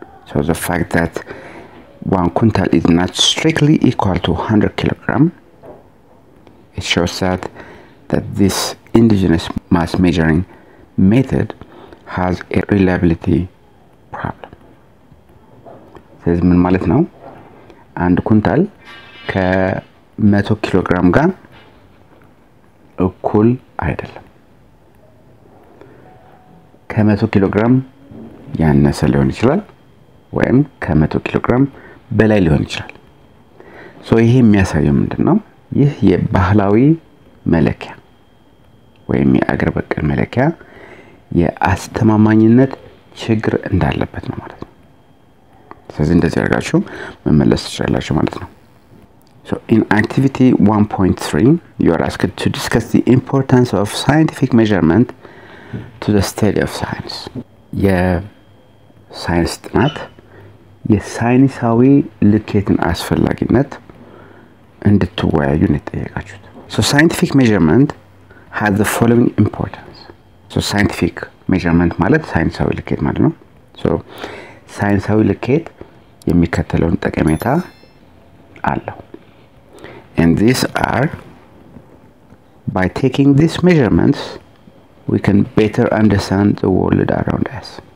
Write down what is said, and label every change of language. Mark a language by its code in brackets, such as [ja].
[en] So the fact that 1 quintal is not strictly equal to 100 kilogram, it shows that this indigenous mass measuring method has a reliability problem. [am] ስለዚህ ምን ማለት ነው? 1 quintal ከ100 ኪሎግራም ጋር እኩል አይደለም። ከ100 ኪሎግራም ያነሰ ሊሆን ይችላል ወይም ከ100 ኪሎግራም በላይ ሊሆን ይችላል። ሶ ይሄ የሚያሳየው ምንድነው? ይህ የባህላዊ መለኪያ ወይም የአገር በቀል መለኪያ የአስተማማኝነት ችግር እንዳለበት ነው ማለት ነው። ስለዚህ እንደዚህ አርጋችሁ መመለስ ትችላላችሁ ማለት ነው። [en] So in activity 1.3, you are asked to discuss the importance of scientific measurement to the study of science. [am] የሳይንስ ጥናት የሳይንሳዊ ልኬትን አስፈላጊነት እንድትወያዩ ነው የጠየቃችሁት። [en] So scientific measurement has the following importance. So scientific measurement [am] ማለት ሳይንሳዊ ልኬት ማለት ነው። [en] So [am] ሳይንሳዊ ልኬት የሚከተለውን ጠቀሜታ አለው። [en] And these are, by taking these measurements, we can better understand the world around us.